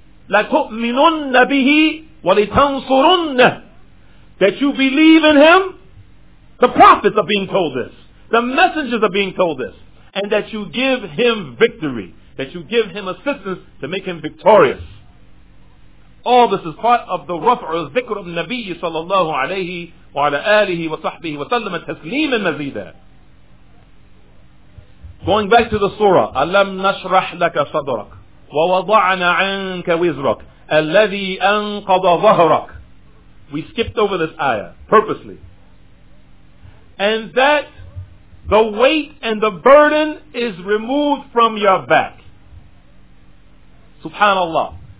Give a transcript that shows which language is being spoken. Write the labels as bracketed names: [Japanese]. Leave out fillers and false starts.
[Arabic] لَتُؤْمِنُنَّ بِهِ وَلِتَنْصُرُنَّهِ [English] That you believe in him, the prophets are being told this. The messengers are being told this. And that you give him victory. That you give him assistance to make him victorious. All this is part of the رفع الذكر of [Arabic] النبي صلى الله عليه وعلى آله وصحبه وسلم تسليم المزيدة. Going back to the surah, أَلَمْ نَشْرَحْ لَكَ صَدْرَكَ وَوَضَعْنَا عَنْكَ وِزْرَكَ الَّذِي أَنْقَضَ ظَهْرَكَ [English] We skipped over this ayah, purposely. And that the weight and the burden is removed from your back. SubhanAllah.